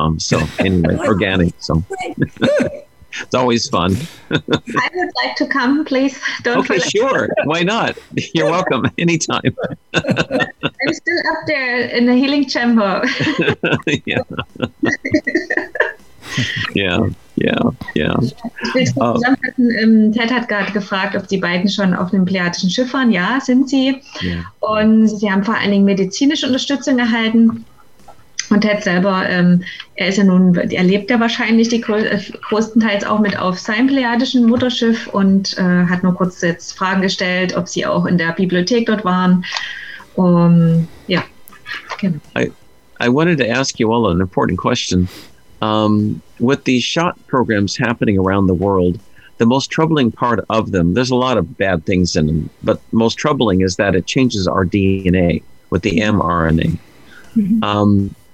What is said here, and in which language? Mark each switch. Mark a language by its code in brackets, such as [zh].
[en] So anyway, organic. So it's always fun. I would like to come, please. Sure. Why not? You're welcome. Anytime. I'm still up there in the healing chamber. Yeah. [de] Ted hat gerade gefragt, ob die beiden schon auf einem Pleiadischen Schiff waren. Ja, sind sie. Yeah. Und sie haben vor allen Dingen medizinische Unterstützung erhalten. Und Ted selber, er ist ja nun, er lebt ja wahrscheinlich größtenteils auch mit auf seinem Pleiadischen Mutterschiff und hat nur kurz jetzt Fragen gestellt, ob sie auch in der Bibliothek dort waren. Ja, genau. [en] I wanted to ask you all an important question. With these SHOT programs happening around the world, the most troubling part of them, there's a lot of bad things in them, but most troubling is that it changes our DNA with the mRNA. Mm-hmm.